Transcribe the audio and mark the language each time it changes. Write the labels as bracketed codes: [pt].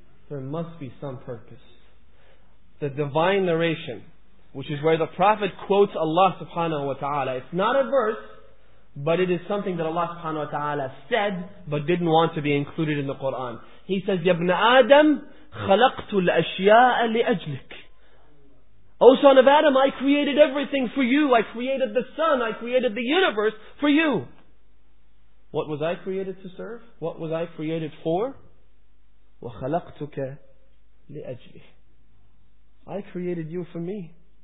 [en] Must be some purpose. The divine narration, which is where the Prophet quotes Allah subhanahu wa ta'ala. It's not a verse, but it is something that Allah subhanahu wa ta'ala said, but didn't want to be included in the Quran. He says, [ar] يَبْنَ آدَمْ خَلَقْتُ الْأَشْيَاءَ لِأَجْلِكَ [en] O son of Adam, I created everything for you. I created the sun. I created the universe for you. What was I created to serve? What was I created for? [ar] وَخَلَقْتُكَ لِأَجْلِ [en] I created you for me.